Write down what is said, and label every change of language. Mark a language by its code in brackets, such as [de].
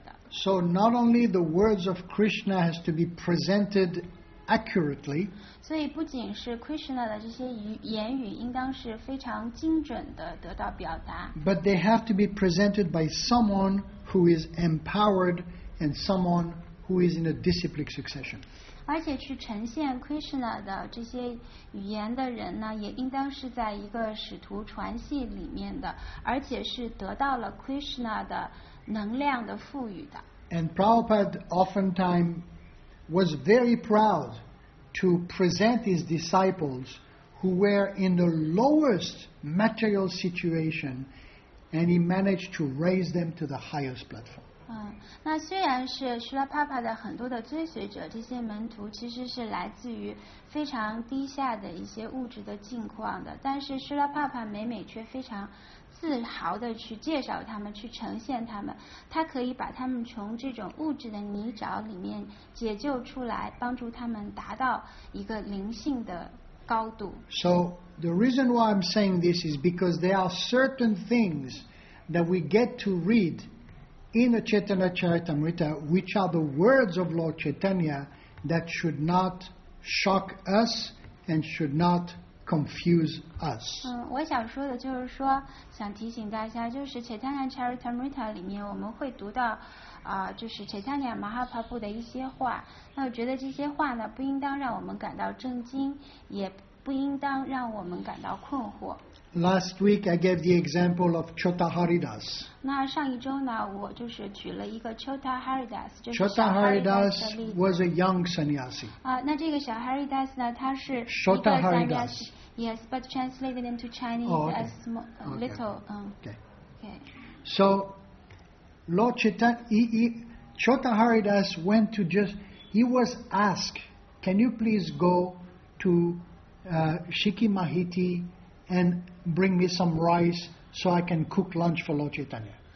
[en] So not only the words of Krishna has to be presented accurately, [zh] 所以不仅是 Krishna 的这些言语应当是非常精准的得到表达， [en] but they have to be presented by someone who is empowered and someone who is in a disciplined succession. [zh] 而且去呈现 Krishna 的这些语言的人呢，也应当是在一个使徒传系里面的，而且是得到了 Krishna 的能量的赋予的。 [en] And Prabhupada oftentimes was very proud to present his disciples who were in the lowest material situation, and he managed to raise them to the highest platform. [zh] 那虽然是须拉帕帕的很多的追随者，这些门徒其实是来自于非常低下的一些物质的境况的，但是须拉帕帕每每却非常自豪地去介绍他们，去呈现他们，他可以把他们从这种物质的泥沼里面解救出来，帮助他们达到一个灵性的高度。 [en] So the reason why I'm saying this is because there are certain things that we get to read in the Chaitanya Charitamrita which are the words of Lord Chaitanya that should not shock us and should notconfuse us. [zh] 我想说的就是说，想提醒大家，就是 Chaitanya Charitamrita 里面我们会读到，就是 Chaitanya Mahaprabhu 的一些话。那我觉得这些话呢，不应当让我们感到震惊，也不应当让我们感到困惑。 [en] Last week I gave the example of Chota Haridas. [zh] 那上一周呢，我就是举了一个 Chota Haridas， 就是 [en] Chota Haridas was a young sannyasi. [zh] 那这个小 Haridas 呢，他是 [en] Chota Haridas. Yes, but translated into Chinese as small, little. So Lord Chaitanya, Chota Haridas went to just. He was asked, "Can you please go to Shikimahiti and bring me some rice so I can cook lunch for Lord Chaitanya?"